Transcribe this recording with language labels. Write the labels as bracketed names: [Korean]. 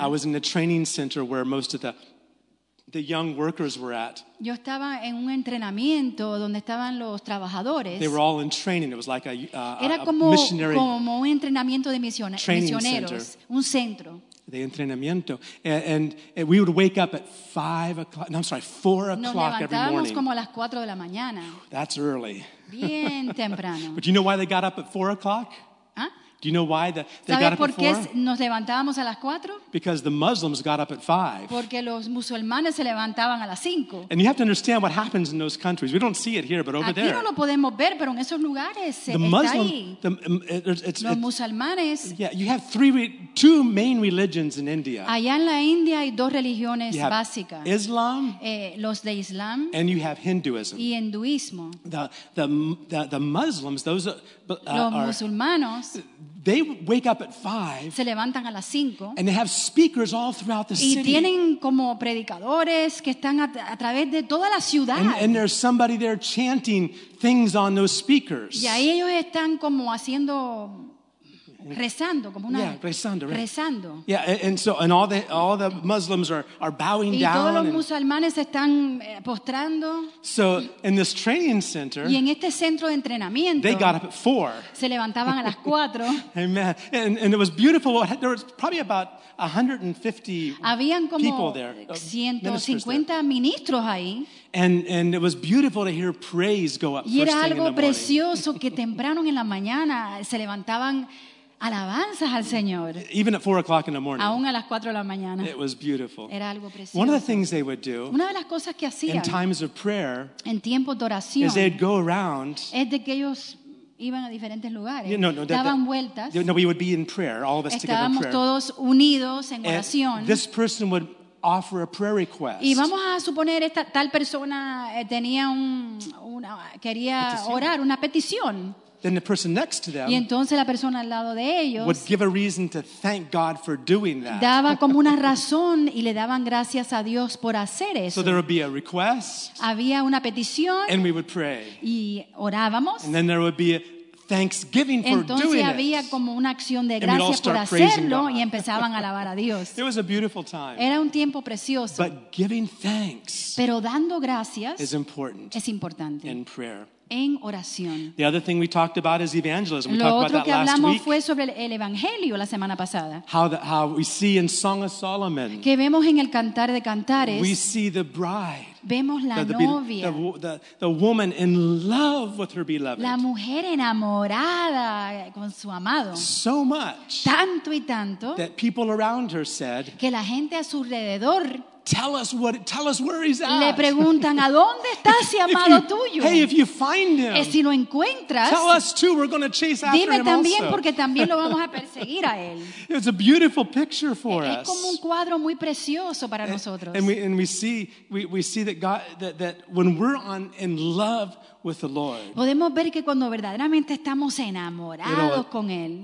[English] I was in the training center where most of the young workers were at. [Spanish] Yo estaba en un entrenamiento donde estaban los trabajadores. [English] They were all in training. It was like a missionary. [Spanish] Como un entrenamiento de misioneros, un centro. De entrenamiento. [English] And we would wake up at 5 o'clock. No, I'm sorry, 4 o'clock every morning. [Spanish] Nos levantábamos como a las 4 de la mañana. [English] That's early. [Spanish] Bien temprano. [English] But you know why they got up at 4 o'clock? Do you know why they got up at 4? [Spanish] ¿Sabes por qué nos levantábamos a las 4? [English] Because the Muslims got up at 5. [Spanish] Porque los musulmanes se levantaban a las 5. [English] And you have to understand what happens in those countries. We don't see it here, but over [Spanish] aquí [English] there. [Spanish] Aquí no lo podemos ver, pero en esos lugares [English] the [Spanish] está [English] Muslim, [Spanish] ahí. Los musulmanes. [English] Yeah, you have two main religions in India. [Spanish] Allá en la India hay dos religiones básicas. [English] Islam. [Spanish] Los de Islam. [English] And you have Hinduism. [Spanish] Y hinduismo. [English] The Muslims, those [Spanish] los musulmanos. [English] They wake up at 5. [Spanish] Se levantan a las 5. [English] And they have speakers all throughout the [Spanish] y [English] city. [Spanish] Y tienen como predicadores que están a través de toda la ciudad. [English] And there's somebody there chanting things on those speakers. [Spanish] Y ahí ellos están como haciendo rezando como una rezando, right. Rezando. [English] Yeah, and all the Muslims are bowing [Spanish] y [English] down. [Spanish] Y todos los musulmanes están postrando. [English] So in this training center. [Spanish] Y en este centro de entrenamiento. [English] They got up at 4. [Spanish] Se levantaban a las 4. [English] Amen. And it was beautiful. There was probably about 150 [Spanish] habían como [English] people there. [Spanish] 150 ministros ahí. [English] And it was beautiful to hear praise go up. [Spanish] Y era algo precioso que temprano en la mañana se levantaban alabanzas al Señor. [English] Even at 4 o'clock in the morning. [Spanish] Aún a las 4 de la mañana. [English] It was beautiful. [Spanish] Era algo precioso. [English] One of the things they would do. [Spanish] Una de las cosas que hacían. [English] In times of prayer. [Spanish] En tiempos de oración. [English] Is they'd go around. [Spanish] Es de que ellos iban a diferentes lugares. [English] You know, [Spanish] daban vueltas. [English] No, we would be in prayer. All of us [Spanish] estábamos [English] together in prayer. [Spanish] Todos unidos en oración. [English] And this person would offer a prayer request. [Spanish] Y vamos a suponer esta tal persona tenía una quería petición. Orar una petición. [English] Then the person next to them [Spanish] y entonces la persona al lado de ellos [English] would give a reason to thank God for doing that. [Spanish] Daba como una razón y le daban gracias a Dios por hacer eso. [English] So there would be a request. [Spanish] Había una petición. [English] And we would pray. [Spanish] Y orábamos. [English] And then there would be a thanksgiving for [Spanish] entonces [English] doing it. [Spanish] Entonces había como una acción de gracias por hacerlo y empezaban a alabar a Dios. [English] It was a beautiful time. [Spanish] Era un tiempo precioso. [English] But giving thanks [Spanish] pero dando gracias [English] is important [Spanish] es importante [English] in prayer. [Spanish] En oración. [English] The other thing we talked about is evangelism. [Spanish] Lo [English] we talked [Spanish] otro [English] about [Spanish] que [English] that [Spanish] hablamos [English] last week. [Spanish] Fue sobre el evangelio la semana pasada. [English] How we see in Song of Solomon. [Spanish] Que vemos en el Cantar de Cantares. [English] We see the bride. [Spanish] Vemos la novia. [English] The woman in love with her beloved. [Spanish] La mujer enamorada con su amado. [English] So much. [Spanish] Tanto y tanto. [English] That people around her said. [Spanish] Que la gente a su alrededor. [English] Tell us where he's at. [Spanish] Le preguntan a dónde está ese amado tuyo. [English] Hey, if you find him. [Spanish] Si lo encuentras. [English] Tell us too. We're going to chase after him also. [Spanish] Dime también porque también lo vamos a perseguir a él. [English] It's a beautiful picture for us. [Spanish] Es como un cuadro muy precioso para nosotros. [English] And we see that God that when we're on in love with the Lord. [Spanish] Podemos ver que cuando verdaderamente estamos enamorados con él.